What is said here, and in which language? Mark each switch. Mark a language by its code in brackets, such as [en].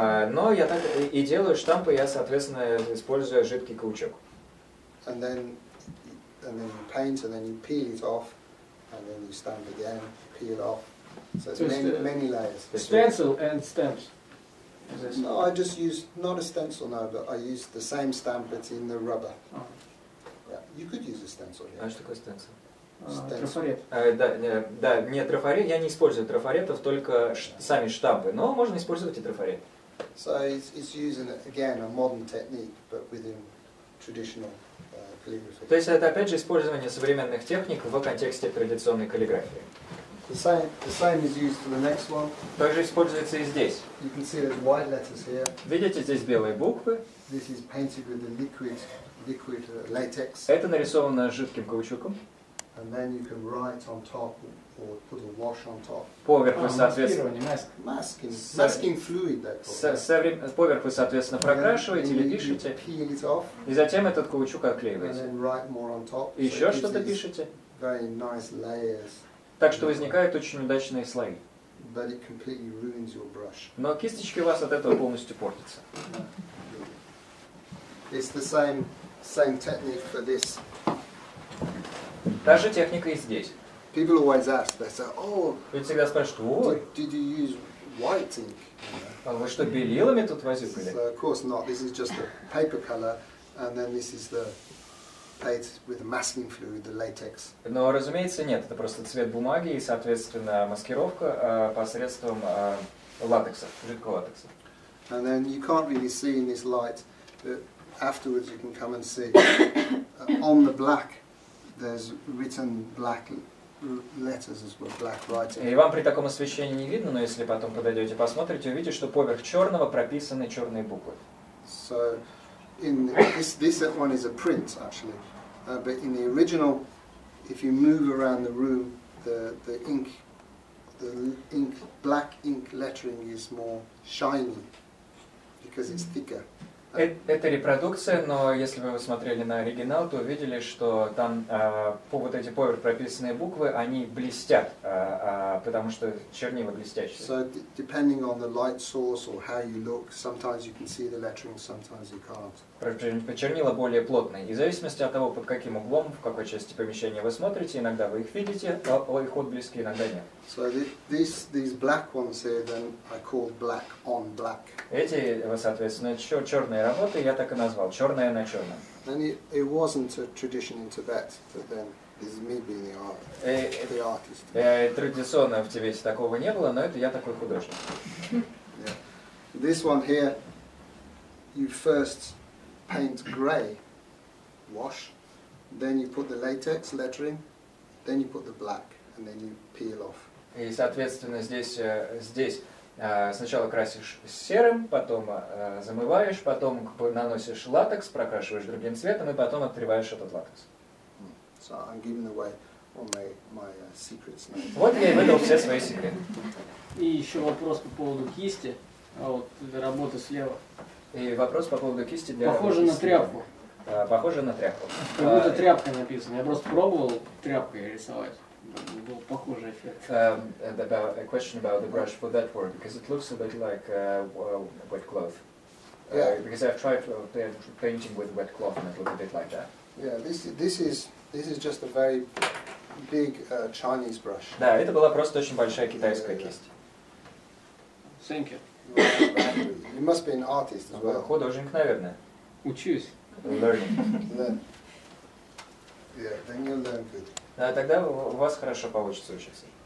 [ru] Но я так и делаю штампы, я, соответственно, использую жидкий каучук. [en] And then you paint, and then you peel it off, and then you stamp again, peel off. So it's many layers. Stencil and stamps. No, I just use not a stencil now, but I use the same stamp that's in the rubber. Oh. Yeah, you could use a stencil here. [ru] А что такое стенсил? Трафарет. Да, не трафарет. Я не использую трафаретов, только сами штампы. Но можно использовать и трафарет. [en] So it's using again a modern technique, but within traditional. [ru] То есть это опять же использование современных техник в контексте традиционной каллиграфии. [en] The same is used for the next one. [ru] Также используется и здесь. [en] You can see there's white letters here. [ru] Видите, здесь белые буквы. [en] This is painted with the liquid latex. [ru] Это нарисовано жидким каучуком. [en] And then you can write on top or put a wash on top. [ru] Поверху, соответственно, [en] masking fluid. [ru] Поверху, соответственно, прокрашиваете или пишете. [en] Peel it off. [ru] И затем этот каучук отклеиваете. [en] And then write more on top. [ru] И еще что-то пишете. [en] Very nice layers. [ru] Так что возникают очень удачные слои. [en] But it completely ruins your brush. [ru] Но кисточки у вас от этого полностью портятся. [en] It's the same technique for this. [ru] Та же техника и здесь. [en] People always ask, they say, oh, [ru] люди всегда спрашивают, [en] did you use white ink? [ru] А вы что, белилами тут возили? [en] So, of course not. This is just a paper color, and then this is the paint with the masking fluid, the latex. [ru] Но, разумеется, нет. Это просто цвет бумаги и, соответственно, маскировка посредством латекса, жидкого латекса. [en] And then you can't really see in this light, but afterwards you can come and see on the black. There's written black letters as well, black writing. [ru] И вам при таком освещении не видно, но если потом подойдете, посмотрите, увидите, что поверх черного прописаны черные буквы. [en] So, in this one is a print actually, but in the original, if you move around the room, the ink, black ink lettering is more shiny because it's thicker. [ru] Это репродукция, но если вы смотрели на оригинал, то увидели, что там вот эти поверх прописанные буквы, они блестят, потому что чернила блестящие. [en] So, depending on the light source or how you look, sometimes you can see the lettering, sometimes you can't. [ru] Чернила более плотные. И в зависимости от того, под каким углом, в какой части помещения вы смотрите, иногда вы их видите, а их отблески иногда нет. [en] So these black ones here, then I call black on black. [ru] Эти, соответственно, черные работы я так и назвал, черное на черном. [en] And it wasn't a tradition in Tibet, but then this is me being the artist. [ru] Традиционно в Тибете такого не было, но это я такой художник. [en] Yeah. This one here, you first paint gray, wash, then you put the latex lettering, then you put the black, and then you peel off. [ru] И, соответственно, здесь Сначала красишь серым, потом замываешь, потом наносишь латекс, прокрашиваешь другим цветом, и потом отрываешь этот латекс. [en] So I'm giving away all my secrets now. [ru] Вот я и выдал все свои секреты. И еще вопрос по поводу кисти, а вот для работы слева. И вопрос по поводу кисти для похоже работы на тряпку. Похоже на тряпку. Как будто тряпка написана. Я просто пробовал тряпкой рисовать. Был похожий эффект. [en] About a question about the brush for that work, because it looks a bit like wet cloth. Yeah. Because I've tried painting with wet cloth and it looks a bit like that. Yeah, this is just a very big Chinese brush. [ru] Да, это была просто очень большая китайская кисть. [en] Thank you. You must be an artist as well. [ru] Художник, наверное. Учусь. [en] Learning. Then you learn good. [ru] Да, тогда у вас хорошо получится учиться.